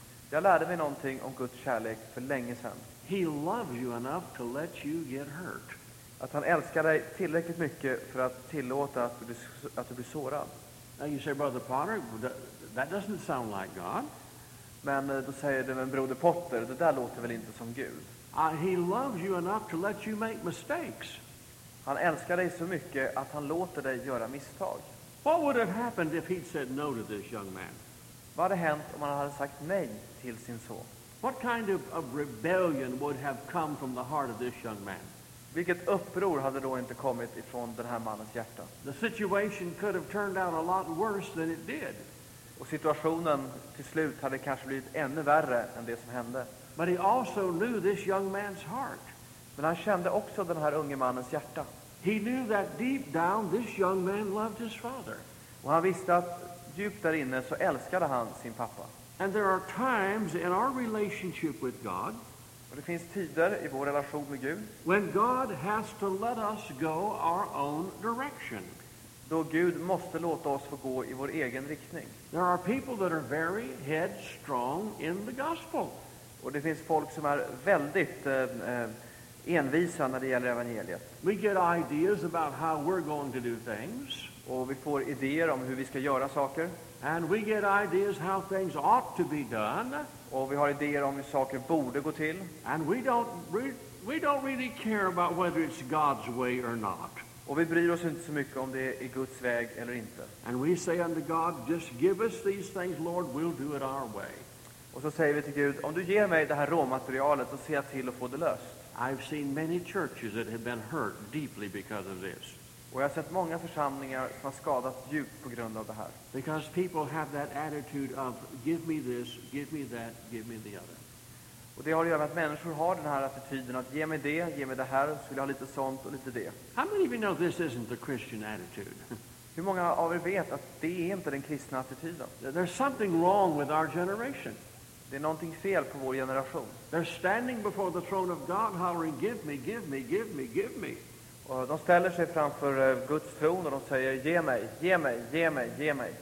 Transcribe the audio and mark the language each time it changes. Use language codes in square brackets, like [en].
[sv] Jag lärde mig någonting om Guds kärlek för länge sedan. [en] He loves you enough to let you get hurt. [sv] Att han älskar dig tillräckligt mycket för att tillåta att du blir sårad. [en] Now you say, Brother Potter, that doesn't sound like God. [sv] Men då säger du, men Broder Potter, det där låter väl inte som Gud. [en] He loves you enough to let you make mistakes. [sv] Han älskar dig så mycket att han låter dig göra misstag. [en] What would have happened if he'd said no to this young man? [sv] Vad hade hänt om han hade sagt nej till sin son? [en] What kind of rebellion would have come from the heart of this young man? [sv] Vilket uppror hade då inte kommit ifrån den här mannens hjärta? [en] The situation could have turned out a lot worse than it did. [sv] Och situationen till slut hade kanske blivit ännu värre än det som hände. [en] But he also knew this young man's heart. [sv] Men han kände också den här unge mannens hjärta. [en] He knew that deep down this young man loved his father. [sv] Och han visste att djupt där inne så älskade han sin pappa. [en] And there are times in our relationship with God. [sv] Och det finns tider i vår relation med Gud. [en] When God has to let us go our own direction. [sv] Då Gud måste låta oss få gå i vår egen riktning. [en] There are people that are very headstrong in the gospel. [sv] Och det finns folk som är väldigt envisa när det gäller evangeliet. [en] We get ideas about how we're going to do things. [sv] Och vi får idéer om hur vi ska göra saker. [en] And we get ideas how things ought to be done. [sv] Och vi har idéer om hur saker borde gå till. [en] And we don't really care about whether it's God's way or not. [sv] Och vi bryr oss inte så mycket om det är Guds väg eller inte. [en] And we say unto God, just give us these things, Lord, we'll do it our way. [sv] Och så säger vi till Gud, om du ger mig det här råmaterialet, så ser jag till att få det löst. [en] I've seen many churches that have been hurt deeply because of this. [sv] Och jag har sett många församlingar som har skadat djupt på grund av det här. [en] Because people have that attitude of give me this, give me that, give me the other. [sv] Och det har att göra med att människor har den här attityden att ge mig det här, så vill jag ha lite sånt och lite det. [en] How many of you know this isn't the Christian attitude? [sv] Hur många av er vet att det är inte den kristna attityden? [en] There's something wrong with our generation. [sv] Det är någonting fel på vår generation. [en] They're standing before the throne of God hollering, give me, give me, give me, give me. [sv] Och de ställer sig framför Guds tron och de säger, ge mig, ge mig, ge mig, ge mig.